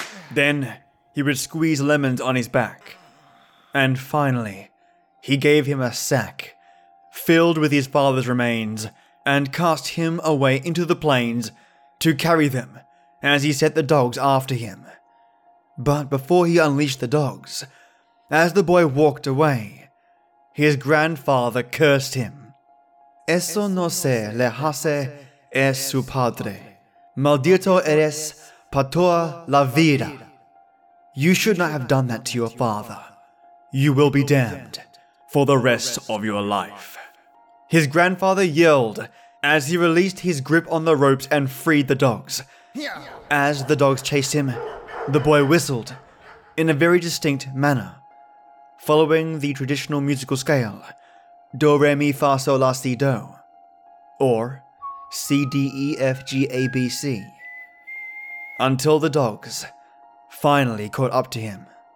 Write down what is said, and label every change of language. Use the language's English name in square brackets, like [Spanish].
[English] Then, he would squeeze lemons on his back. And finally, he gave him a sack filled with his father's remains, and cast him away into the plains to carry them as he set the dogs after him. But before he unleashed the dogs, as the boy walked away, his grandfather cursed him. [Spanish] Eso no se le hace a su padre. Maldito eres por toda la vida. [English] You should not have done that to your father. You will be damned for the rest of your life. His grandfather yelled as he released his grip on the ropes and freed the dogs. As the dogs chased him, the boy whistled in a very distinct manner, following the traditional musical scale, do, re, mi, fa, sol, la, si, do, or C, D, E, F, G, A, B, C, until the dogs finally caught up to him.